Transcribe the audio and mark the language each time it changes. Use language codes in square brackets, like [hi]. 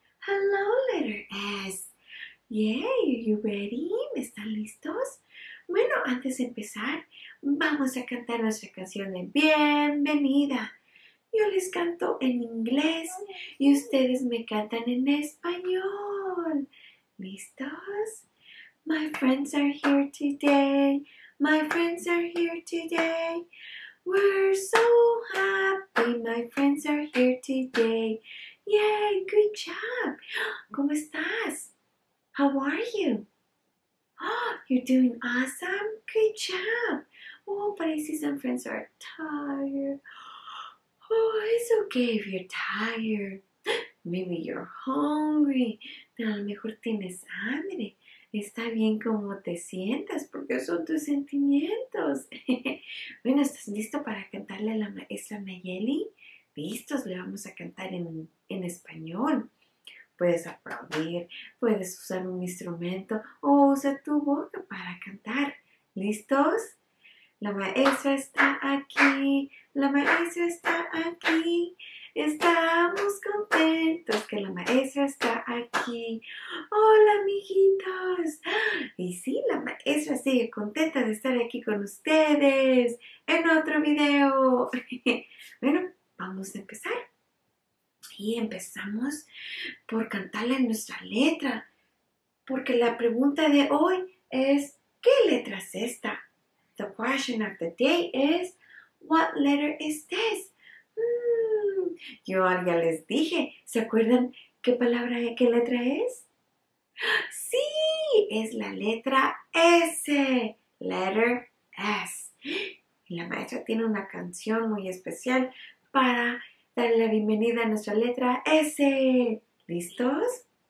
[en] Hello, letter S. Yay, are you ready? [es] ¿Están listos? Bueno, antes de empezar, vamos a cantar nuestra canción de bienvenida. Yo les canto en inglés y ustedes me cantan en español. ¿Listos? [en] My friends are here today. My friends are here today. We're so happy. My friends are here today. Yay, good job. [es] ¿Cómo estás? [en] How are you? Oh, you're doing awesome. Good job. Oh, but I see some friends are tired. Oh, it's okay if you're tired. Maybe you're hungry. [es] Pero a lo mejor tienes hambre. Está bien como te sientas, porque son tus sentimientos. Bueno, ¿estás listo para cantarle a la maestra Nayeli? Listos, le vamos a cantar en español. Puedes aplaudir, puedes usar un instrumento o usa tu boca para cantar. ¿Listos? La maestra está aquí, la maestra está aquí. Estamos contentos que la maestra está aquí. ¡Hola, amiguitos! Y sí, la maestra sigue contenta de estar aquí con ustedes en otro video. Bueno, vamos a empezar. Y empezamos por cantarle nuestra letra. Porque la pregunta de hoy es, ¿qué letra es esta? [en] The question of the day is, what letter is this? [es] Yo ya les dije, ¿se acuerdan qué palabra, qué letra es? ¡Sí! Es la letra S. [en] Letter S. [es] La maestra tiene una canción muy especial para darle la bienvenida a nuestra letra S. ¿Listos?